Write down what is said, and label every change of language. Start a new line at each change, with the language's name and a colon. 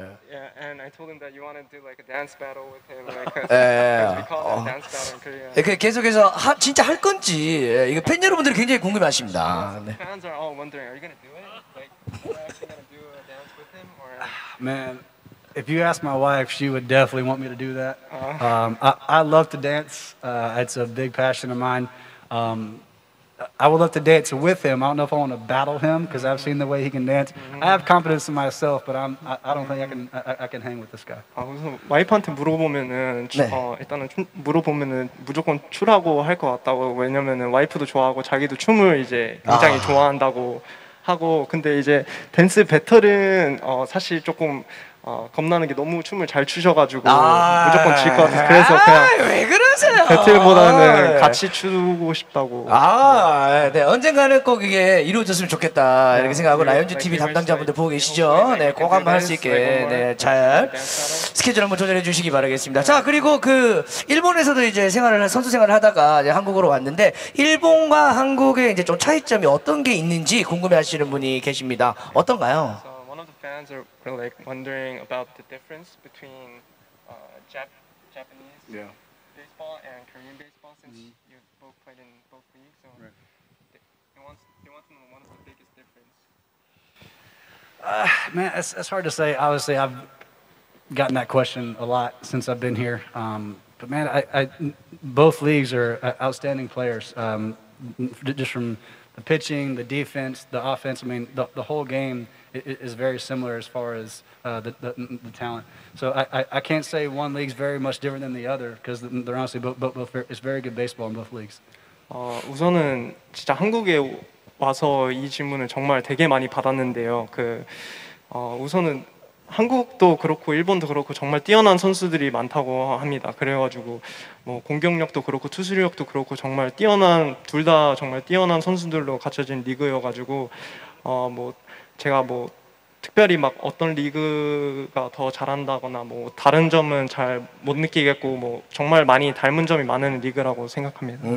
English: Yeah, and I told him that you want to do like a dance battle with him. Like, yeah. We call that dance battle in Korea.
Korean: 계속해서 진짜 할 건지, 이거 팬 여러분들이 굉장히 궁금해하십니다.
English: Yeah, so fans are all wondering, are you going to do it? Like, are you actually going to do a dance with him? Or? Man. If you ask my wife, she would definitely want me to do that. I love to dance. It's a big passion of mine. I would love to dance with him. I don't know if I want to battle him because I've seen the way he can dance. I have confidence in myself, but I don't think I can hang with this guy.
Korean: 와이프한테 물어보면은 네. 일단은 물어보면은 무조건 추라고 할 것 같다고. 왜냐면은 와이프도 좋아하고 자기도 춤을 이제 굉장히 좋아한다고 하고 근데 이제 댄스 배틀은 사실 조금 겁나는 게 너무 춤을 잘 추셔가지고 무조건 질 것 같아서 그래서 그냥 왜 그러세요? 배틀보다는 같이 추고 싶다고 네 언젠가는 꼭 이게 이루어졌으면 좋겠다 이렇게 생각하고 라이온즈 TV 담당자분들 보고 계시죠? 네 꼭 한번 할 수 있게 네 잘 스케줄 한번 조절해 주시기 바라겠습니다. 자 그리고 그 일본에서도 이제 선수 생활을 하다가 이제 한국으로 왔는데 일본과 한국의 이제 좀 차이점이 어떤 게 있는지 궁금해하시는 분이 계십니다. 어떤가요?
English: Fans are like wondering about the difference between Japanese baseball and Korean baseball since you both played in both leagues. So they want to know what's the biggest difference. Man, it's hard to say. Obviously, I've gotten that question a lot since I've been here. But man, I both leagues are outstanding players. Just from the pitching, the defense, the offense. I mean, the whole game. Is very similar as far as the talent. So I can't say one league's very much different than the other because they're honestly both it's very good baseball in both leagues.
Korean: 우선은 진짜 한국에 와서 이 질문을 정말 되게 많이 받았는데요. 우선은 한국도 그렇고 일본도 그렇고 정말 뛰어난 선수들이 많다고 합니다. 그래가지고 뭐 공격력도 그렇고 투수력도 그렇고 정말 뛰어난 둘 다 정말 뛰어난 선수들로 갖춰진 리그여가지고 뭐 제가 뭐 특별히 막 어떤 리그가 더 잘한다거나 뭐 다른 점은 잘 못 느끼겠고 뭐 정말 많이 닮은 점이 많은 리그라고 생각합니다.